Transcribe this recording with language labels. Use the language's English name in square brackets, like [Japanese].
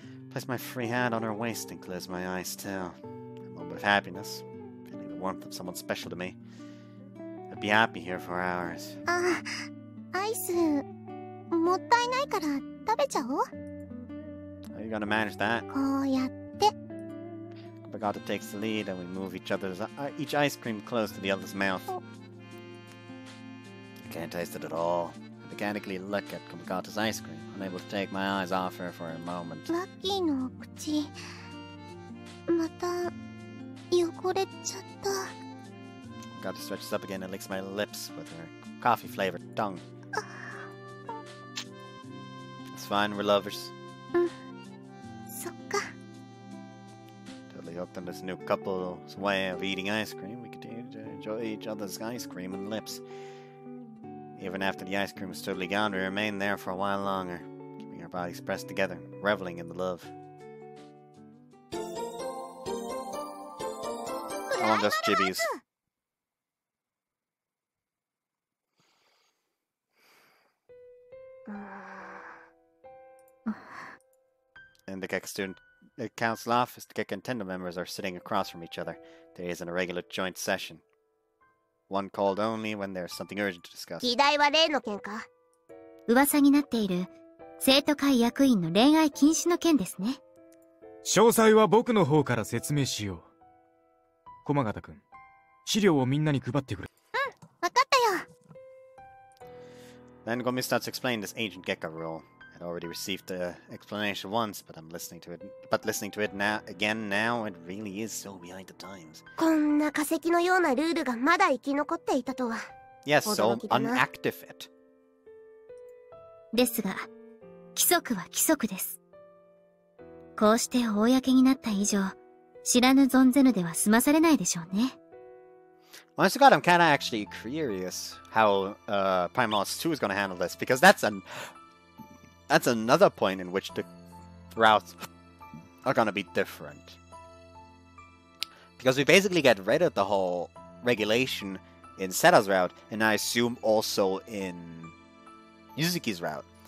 [English] Place my free hand on her waist and close my eyes too. A moment of happiness, feeling the warmth of someone special to me. I'd be happy here for hours. [Japanese] アイス、もったいないから食べちゃおう? [English] How are you gonna manage that? [Japanese] こうやって。 [English] Kumagata takes the lead and we move each ice cream close to the other's mouth. I can't taste it at all. I mechanically look at Kumagata's ice cream, unable to take my eyes off her for a moment. [Japanese] ラッキーの口、また汚れちゃった。 [English] Kumagata stretches up again and licks my lips with her coffee-flavored tongue. It's fine, we're lovers. [Japanese] そっか。 [English] Totally hooked on this new couple's way of eating ice cream, we continue to enjoy each other's ice cream and lips. Even after the ice cream was totally gone, we remained there for a while longer, keeping our bodies pressed together, reveling in the love. I want those chibis. In the Keck Student Council office, the Keck and Tendo members are sitting across from each other. There isn't a regular joint session. One called only when there's something urgent to discuss. [Japanese] 議題は例の件か? 噂になっている生徒会役員の恋愛禁止の件ですね。詳細は僕の方から説明しよう。駒形君、資料をみんなに配ってくれ。うん、わかったよ。 [English] Then Gomi starts explaining this ancient Gekka rule. I'd already received the explanation once, but listening to it again now, it really is so behind the times. [Japanese] こんな化石のようなルールがまだ生き残っていたとは。 [English] Yes, so unactive it. [Japanese] ですが、規則は規則です。こうして公になった以上、知らぬ存ぜぬでは済まされないでしょうね。 [English] Well, I forgot, I'm kind of actually curious how PRIMAL 2 is going to handle this, because that's another point in which the routes are going to be different. Because we basically get rid of the whole regulation in Seta's route, and I assume also in Yuzuki's route.